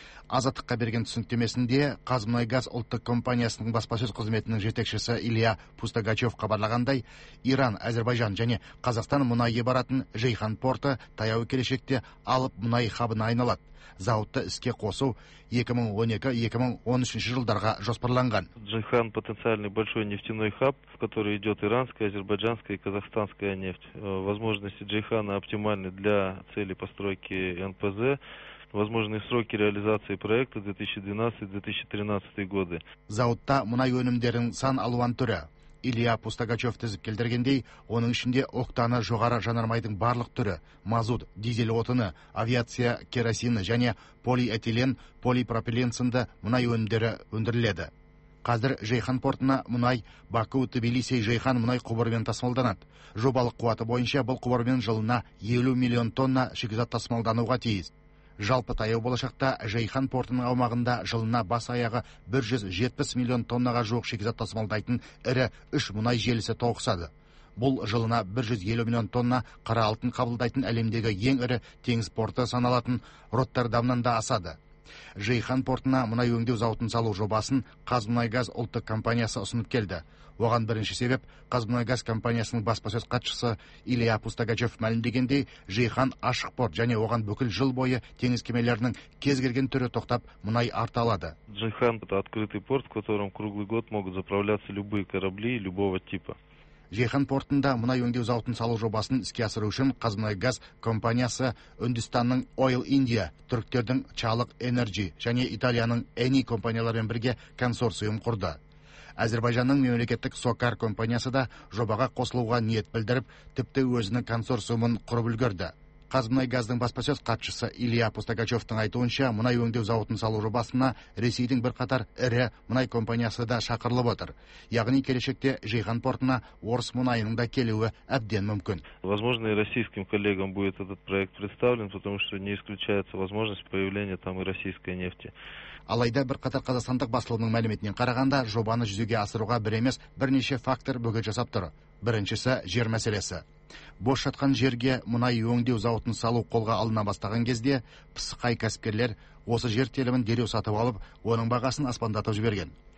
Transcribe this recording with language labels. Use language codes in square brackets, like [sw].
[kk] Азаттыққа берген түсініктемесінде Қазмұнайгаз ұлттық компаниясының баспасөз қызметінің жетекшісі Илья Пустагачев хабарлағандай, Иран, Әзербайжан және Қазақстан мұнайы баратын Жейхан порты таяу келешекте алып мұнай хабына айналады. Зауытты іске қосу 2012-2013 жылдарға жоспарланған. [ru] Жейхан потенциальный большой нефтяной хаб, в который идет иранская, азербайджанская и казахстанская нефть. Возможности Жейхана оптимальны для цели постройки НПЗ. Возможные сроки реализации проекта 2012-2013 годы. [kk] Зауытта мұнай өнімдерін сан алуан түрі. Илья Пустагачев тізіп келдіргендей, оның ішінде октаны жоғары жанармайдың барлық түрі, мазут, дизель отыны, авиация, керосині және полиэтилен, полипропилен сынды мұнай өнімдері өндіріледі. Қазір Жейхан портына мұнай Баку-Тбилиси-Жейхан мұнай құбырмен тасымалданады. Жобалық қуаты бойынша бұл құбырмен жылына 50 миллион тонна шикізат тасымалдануға тиіс. Жалпы таяу болашақта Жейхан портының аумағында жылына бас аяғы 170 миллион тоннаға жуық шикізат тасымалдайтын ірі үш мұнай желісі тоғысады. Бұл жылына 150 миллион тонна қара алтын қабылдайтын әлемдегі ең ірі теңіз порты саналатын Роттердамнан да асады. Жейхан портына мұнай өңдеу зауытын салу жобасын Қазмұнайгаз ұлттық компаниясы ұсынып келді. Оған бірінші себеп Қазмұнайгаз компаниясының баспасөз хатшысы Илья Пустагачев мәлімдегендей, Жейхан ашық порт және оған бүкіл жыл бойы теңіз кемелерінің кез келген түрі тоқтап мұнай арта алады. [ru] Жейхан это открытый порт, в котором круглый год могут заправляться любые корабли любого типа. [kk] Жейхан портында мұнай өңдеу зауытын салу жобасын іске асыру үшін Қазмұнайгаз компаниясы Үндістанның Oil India, түріктердің Çalık Energy және Италияның Eni компанияларымен бірге консорциум құрды. Әзербайжанның мемлекеттік Сокар компаниясы да жобаға қосылуға ниет білдіріп, тіпті өзінің консорциумын құрып үлгерді. Қазмұнайгаздың баспасөз хатшысы Илья Пустагачевтің айтуынша, мұнай өңдеу зауытын салу жобасына Ресейдің бірқатар ірі мұнай компаниясы да шақырылып отыр. Яғни келешекте Жейхан портына орыс мұнайының да келуі әбден мүмкін. [ru] Возможно, и российским коллегам будет этот проект представлен, потому что не исключается возможность появления там и российской нефти. [kk] Алайда бірқатар қазақстандық басылымның мәліметінен қарағанда, жобаны жүзеге асыруға бір емес бірнеше фактор бөгет жасап тұр. Біріншісі жер мәселесі. Бос жатқан жерге мұнай өңдеу зауытын салу қолға алына бастаған кезде пысықай кәсіпкерлер осы жер телімін дереу сатып алып, оның бағасын аспандатып жіберген.